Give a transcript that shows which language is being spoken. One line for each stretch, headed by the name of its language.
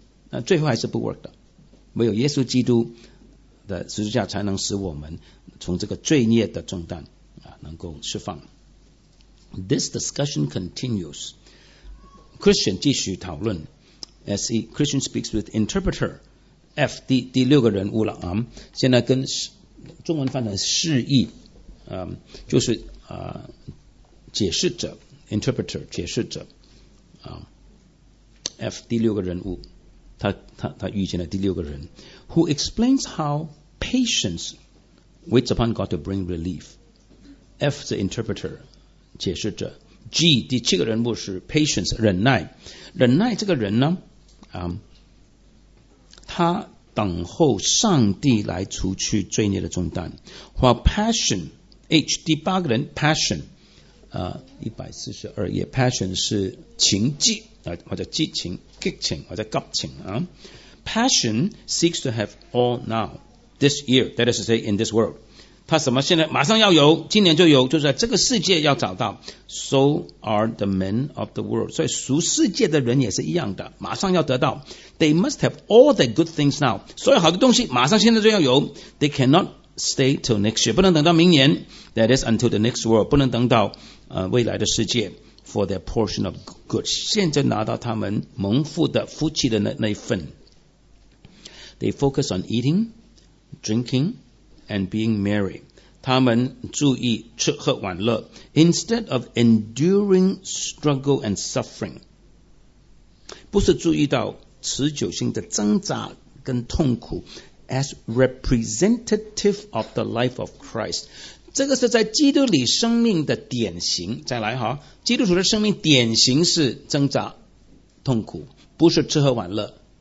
Chinese: 那最后还是不 work 的，唯有耶稣基督的十字架才能使我们从这个罪孽的重担啊能够释放。
English: This discussion continues.
Chinese: Christian 继续讨论 ，
English: as he Christian speaks with interpreter F
Chinese: 第六个人物了啊，现在跟中文翻成释义，就是解释者 interpreter 解释者啊 ，F 第六个人物。他遇见了第六个人
English: who explains how patience waits upon God to bring relief.
Chinese: F 是 interpreter 解释者 G 第七个人物是 patience 忍耐，忍耐这个人呢、他等候上帝来除去罪孽的重担
English: while passion
Chinese: H 第八个人 passion 142页 passion 是情迹或者激情激情或者急情、啊、
English: Passion seeks to have all now This year That is to say in this world
Chinese: 他什么现在马上要有今年就有就是在这个世界要找到
English: So are the men of the world
Chinese: 所以俗世界的人也是一样的马上要得到
English: They must have all the good things now
Chinese: 所有好的东西马上现在就要有
English: They cannot stay till next year
Chinese: 不能等到明年
English: That is until the next world
Chinese: 不能等到、未来的世界
English: For their portion of good,
Chinese: 现在拿到他们蒙福的福气的那一份。
English: They focus on eating, drinking, and being merry.
Chinese: 他们注意吃喝玩乐
English: instead of enduring struggle and suffering.
Chinese: 不是注意到持久性的挣扎跟痛苦
English: as representative of the life of Christ.
Chinese: 这个是在基督里生命的典型再来哈基督徒的生命典型是挣扎痛苦不是吃喝玩乐